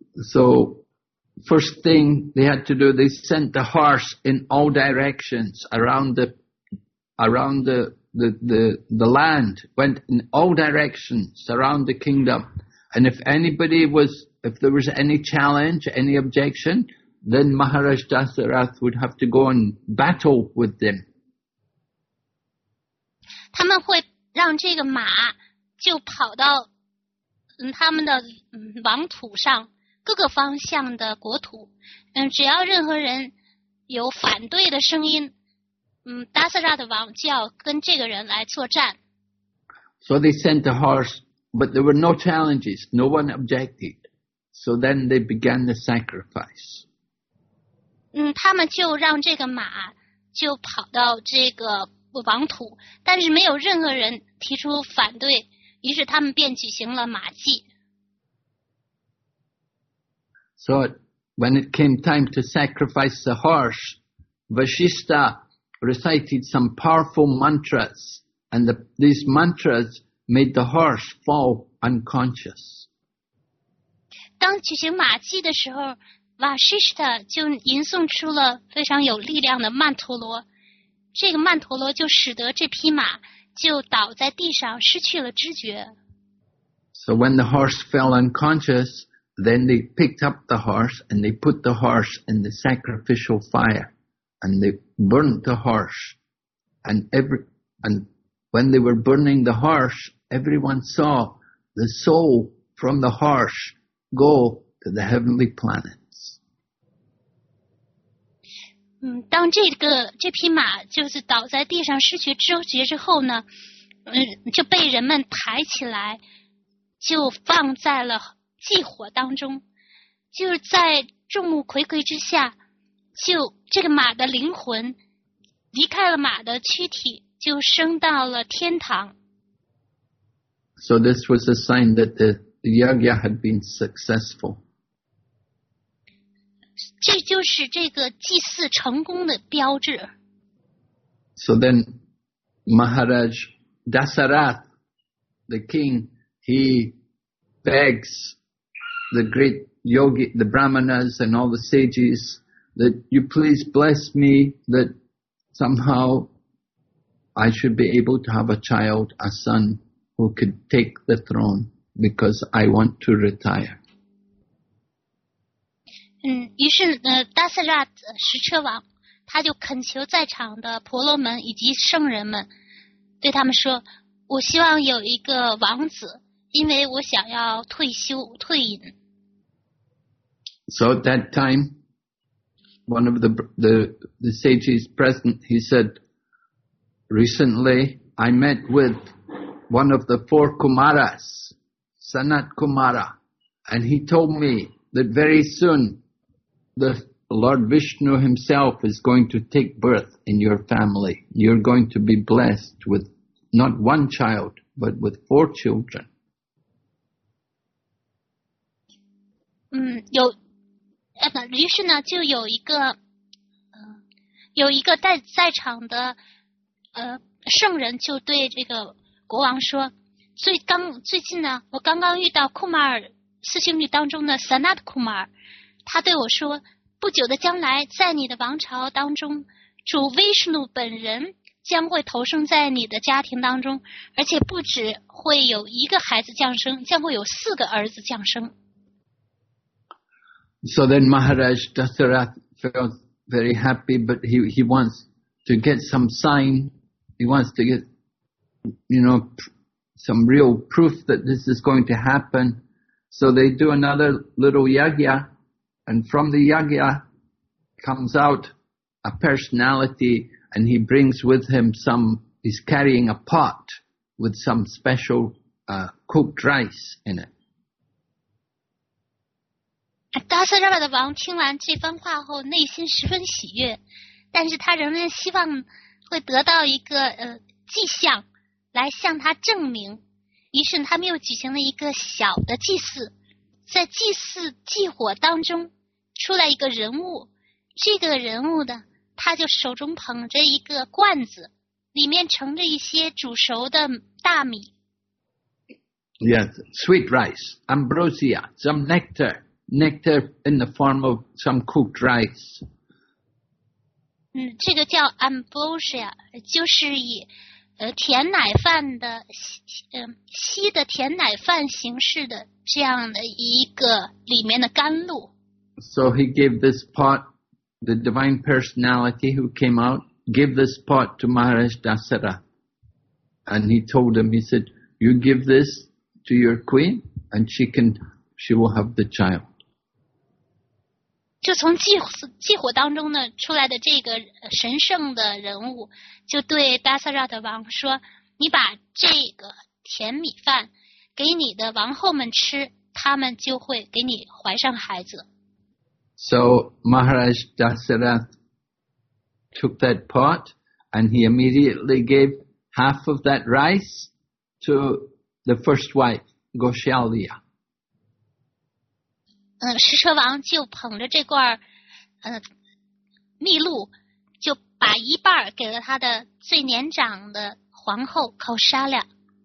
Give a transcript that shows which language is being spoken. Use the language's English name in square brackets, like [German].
[English] So, first thing they had to do, they sent the horse in all directions around the land, went in all directions around the kingdom. And if there was any challenge, any objection, then Maharaj Dasarath would have to go and battle with them. [Chinese] 他们会让这个马就跑到他们的王土上各个方向的国土，只要任何人有反对的声音，达萨拉的王就要跟这个人来作战。 [English] So they sent the horse, but there were no challenges, no one objected. So then they began the sacrifice. [Chinese] 他们就让这个马就跑到这个王土，但是没有任何人提出反对，于是他们便举行了马祭。 [English] So when it came time to sacrifice the horse, Vashistha recited some powerful mantras, and these mantras made the horse fall unconscious. [Chinese] 当举行马祭的时候，Vashistha就吟诵出了非常有力量的曼陀罗。这个曼陀罗就使得这匹马就倒在地上，失去了知觉。 [English] So when the horse fell unconscious, then they picked up the horse and they put the horse in the sacrificial fire, and they burned the horse. And when they were burning the horse, everyone saw the soul from the horse go to the heavenly planet. [Chinese] 当这匹马就是倒在地上失去知觉之后呢，就被人们抬起来，就放在了祭火当中，就是在众目睽睽之下，就这个马的灵魂离开了马的躯体，就升到了天堂。 [English] So this was a sign that the yagya had been successful. [Chinese] 这就是这个祭祀成功的标志。 [English] So then, Maharaj Dasarath, the king, he begs the great yogi, the brahmanas and all the sages that you please bless me that somehow I should be able to have a child, a son who could take the throne because I want to retire. [Chinese] 于是达萨拉石车王他就恳求在场的婆罗门以及圣人们，对他们说，我希望有一个王子，因为我想要退休退隐。 [English] So at that time one of the sages present, he said, recently I met with one of the four Kumaras, Sanat Kumara, and he told me that very soon the Lord Vishnu himself is going to take birth in your family. You're going to be blessed with not one child, but with four children. [Chinese] 于是呢，就有一个在场的圣人就对这个国王说，最近呢，我刚刚遇到库马尔四兄弟当中的萨纳德库马尔，他对我说，不久的将来，在你的王朝当中，主威士努本人将会投生在你的家庭当中，而且不止会有一个孩子降生，将会有四个儿子降生。 [English] So then Maharaj Dasarath felt very happy, but he wants to get some sign. He wants to get, you know, some real proof that this is going to happen. So they do another little yagya, and from the yagya comes out a personality, and he brings with him he's carrying a pot with some special cooked rice in it. [Chinese] 达斯拉的王听完这番话后，内心十分喜悦，但是他仍然希望会得到一个迹象来向他证明。于是他们又举行了一个小的祭祀，在祭祀祭火当中出来一个人物，这个人物呢，他就手中捧着一个罐子，里面盛着一些煮熟的大米。 [English] Yes, sweet rice, ambrosia, some nectar. Nectar in the form of some cooked rice. [Chinese] 这个叫 ambrosia, 就是以甜奶饭的稀的甜奶饭形式的这样的一个里面的甘露。 [English] So he gave this pot, the divine personality who came out, gave this pot to Maharaj Dasara. And he told him, he said, you give this to your queen and she will have the child. [Chinese] 就从祭火当中呢出来的这个神圣的人物就对达萨拉的王说，你把这个甜米饭给你的王后们吃，他们就会给你怀上孩子。 [English] So Maharaj Dasarath took that pot and he immediately gave half of that rice to the first wife, Gosalya. [Chinese] 石车王就捧着这罐蜜露，就把一半给了他的最年长的皇后Kausalya。